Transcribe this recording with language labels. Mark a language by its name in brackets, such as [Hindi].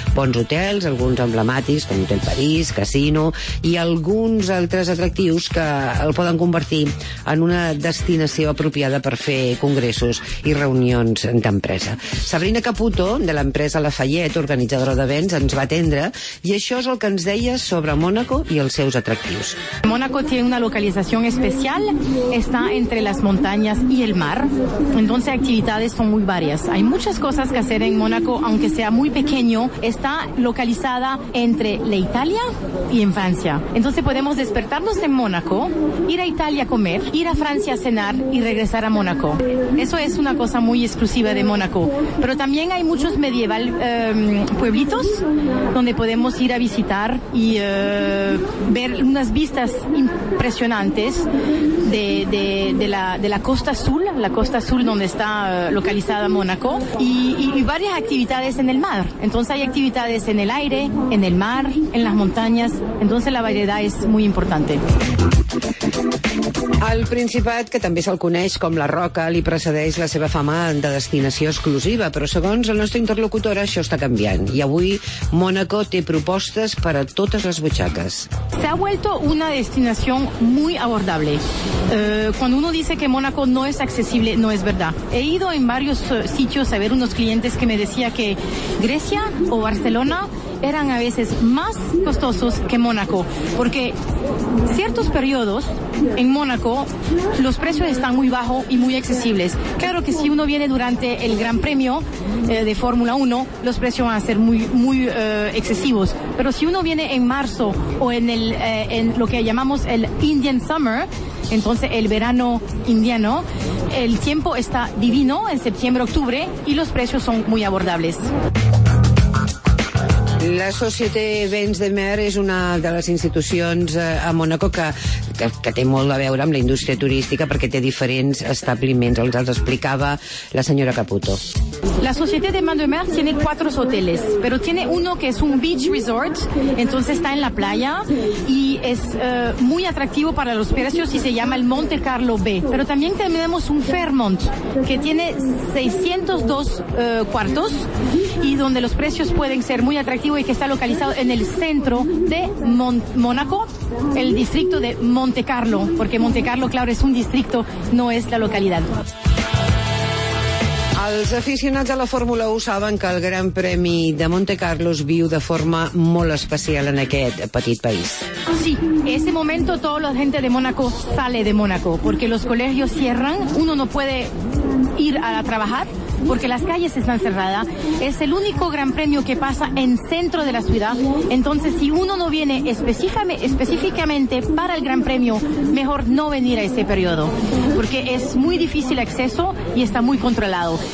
[Catalan] Bons hotels, alguns emblemàtics, com Hotel París, Casino, i alguns altres atractius que el poden convertir en una destinació apropiada per fer congressos i reunions d'empresa. Sabrina Caputo, de l'empresa Lafayette, organitzadora d'events, ens va atendre, i això és el que ens deia sobre Mònaco i els seus atractius. Mònaco té una localització especial, està entre les muntanyes i el mar, entonces activitats són molt diverses. [Spanish] Hay muchas cosas que hacer en Mónaco, aunque sea muy pequeño, está localizada entre la Italia y en Francia. Entonces podemos despertarnos en Mónaco, ir a Italia a comer, ir a Francia a cenar y regresar a Mónaco. Eso es una cosa muy exclusiva de Mónaco. Pero también hay muchos medieval pueblitos donde podemos ir a visitar y ver unas vistas impresionantes de la costa azul, la costa azul donde está localizada Mónaco, y varias actividades en el mar. Entonces hay actividades en el aire, en el mar, en las montañas. Entonces la variedad es muy importante. [Catalan] El Principat, que també se'l coneix com la Roca, li precedeix la seva fama de destinació exclusiva, però segons el nostre interlocutor això està canviant. I avui Mònaco té propostes per a totes les butxaques. [Spanish] Se ha vuelto una destinación muy abordable. Cuando uno dice que Mónaco no es accesible, no es verdad. He ido en varios sitios a ver unos clientes que me decía que Grecia o Barcelona eran a veces más costosos que Mónaco, porque ciertos periodos en Mónaco los precios están muy bajos y muy accesibles. Claro que si uno viene durante el Gran Premio de Fórmula 1, los precios van a ser muy excesivos, pero si uno viene en marzo o en lo que llamamos el Indian Summer, entonces el verano indiano, el tiempo está divino en septiembre, octubre, y los precios son muy abordables. [Catalan] La Société Vins de Mer és una de les institucions a Mònaco que té molt a veure amb la indústria turística perquè té diferents establiments. Els explicava la senyora Caputo. [Spanish] La Société de Vins de Mer tiene 4 hoteles, pero tiene uno que es un beach resort, entonces está en la playa y es muy atractivo para los precios y se llama el Monte Carlo B. Pero también tenemos un Fairmont que tiene 602 cuartos y donde los precios pueden ser muy atractivos y que está localizado en el centro de Mónaco, el distrito de Monte Carlo, porque Monte Carlo, claro, es un distrito, no es la localidad. [Catalan] Els aficionats a la Fórmula 1 saben que el Gran Premi de Monte Carlo viu de forma molt especial en aquest petit país. [Spanish] Sí, en ese momento toda la gente de Mónaco sale de Mónaco porque los colegios cierran, uno no puede ir a trabajar porque las calles están cerradas. Es el único Gran Premio que pasa en centro de la ciudad. Entonces, si uno no viene específicamente para el Gran Premio, mejor no venir a ese periodo, porque es muy difícil acceso y está muy controlado.